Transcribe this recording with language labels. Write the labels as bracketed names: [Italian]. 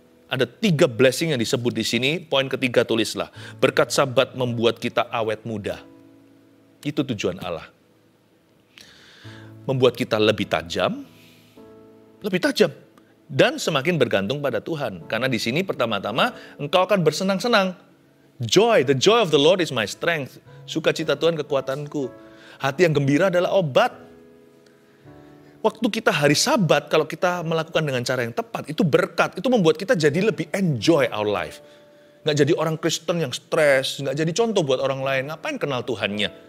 [Indonesian] Ada tiga blessing yang disebut di sini. Poin ketiga, tulislah. Berkat sabat membuat kita awet muda. Itu tujuan Allah. Membuat kita lebih tajam. Lebih tajam. Dan semakin bergantung pada Tuhan. Karena di sini pertama-tama engkau akan bersenang-senang. [English] Joy, the joy of the Lord is my strength. [Indonesian] Sukacita Tuhan kekuatanku. Hati yang gembira adalah obat. waktu kita hari Sabat, kalau kita melakukan dengan cara yang tepat, itu berkat, itu membuat kita jadi lebih [English] enjoy our life. [Indonesian] Nggak jadi orang Kristen yang stres, nggak jadi contoh buat orang lain, ngapain kenal Tuhannya.